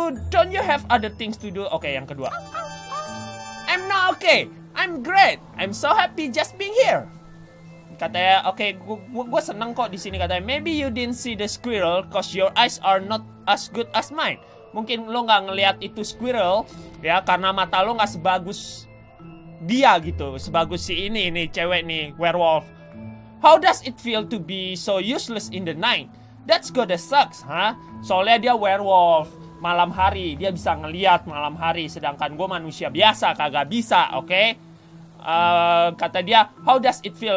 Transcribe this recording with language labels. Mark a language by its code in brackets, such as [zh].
[en] Don't you have other things to do? Okay, [id] yang kedua. [en] I'm not okay. I'm great. I'm so happy just being here. [id] Katanya, okay, gue seneng kok di sini. Katanya, [en] maybe you didn't see the squirrel cause your eyes are not as good as mine. [id] Mungkin lo gak ngeliat itu squirrel ya, karena mata lo gak sebagus dia gitu. Sebagus si ini cewek nih, werewolf. [en] How does it feel to be so useless in the night? That's gonna sucks, huh? [id] Soalnya dia werewolf. Malam hari, dia bisa ngeliat malam hari. Sedangkan gue manusia biasa, kagak bisa, okay? Kata dia, [en] how does it feel?